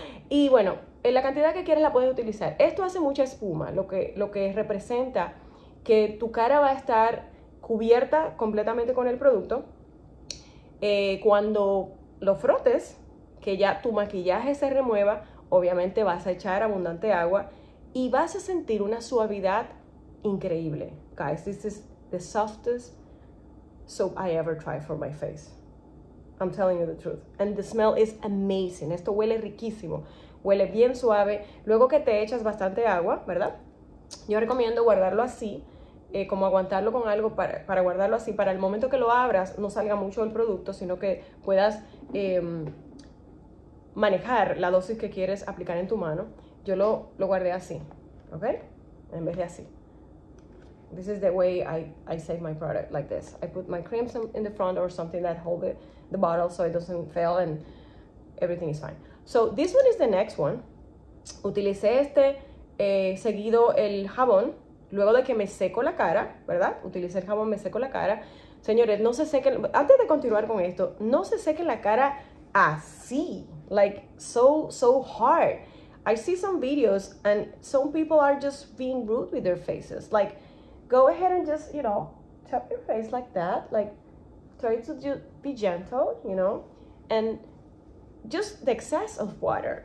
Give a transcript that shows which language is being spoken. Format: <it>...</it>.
<es>Y bueno, en la cantidad que quieras la puedes utilizar. Esto hace mucha espuma, lo que representa que tu cara va a estar cubierta completamente con el producto. Cuando lo frotes, que ya tu maquillaje se remueva, obviamente vas a echar abundante agua y vas a sentir una suavidad increíble.</es> <en>Guys, this is the softest soap I ever tried for my face. I'm telling you the truth. And the smell is amazing.</en> <es>Esto huele riquísimo. Huele bien suave. Luego que te echas bastante agua, ¿verdad? Yo recomiendo guardarlo así. Como aguantarlo con algo para guardarlo así, para el momento que lo abras no salga mucho el producto, sino que puedas manejar la dosis que quieres aplicar en tu mano. Yo lo guardé así, ¿ok? En vez de así.</es> <en>This is the way I save my product, like this. I put my creams in the front or something that hold the bottle so it doesn't fail and everything is fine. So this one is the next one.</en> <es>Utilicé este seguido el jabón. Luego de que me seco la cara, ¿verdad? Utilicé el jabón, me seco la cara. Señores, no se sequen. Antes de continuar con esto, no se sequen la cara así.</es> <en>Like, so hard. I see some videos and some people are just being rude with their faces. Like, go ahead and just, tap your face like that. Like, try to just be gentle, And just the excess of water.</en>